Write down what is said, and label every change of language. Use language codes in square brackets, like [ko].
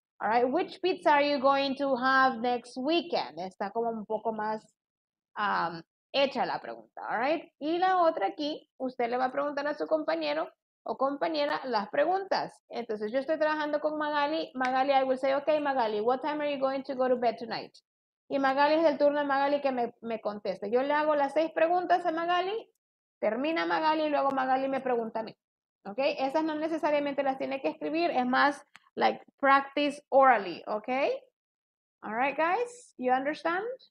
[en] All right, which pizza are you going to have next weekend? [es] Está como un poco más hecha la pregunta, [en] all right. [es] Y la otra aquí, usted le va a preguntar a su compañero o compañera las preguntas. Entonces, yo estoy trabajando con Magali. [en] Magali, I will say, okay, Magali, what time are you going to go to bed tonight? [es] Y Magali es el turno de Magali que me conteste. Yo le hago las 6 preguntas a Magali, termina Magali y luego Magali me pregunta a mí. ¿Ok? Esas no necesariamente las tiene que escribir, es más, [en] like, practice orally. ¿Ok? All right, guys? You understand?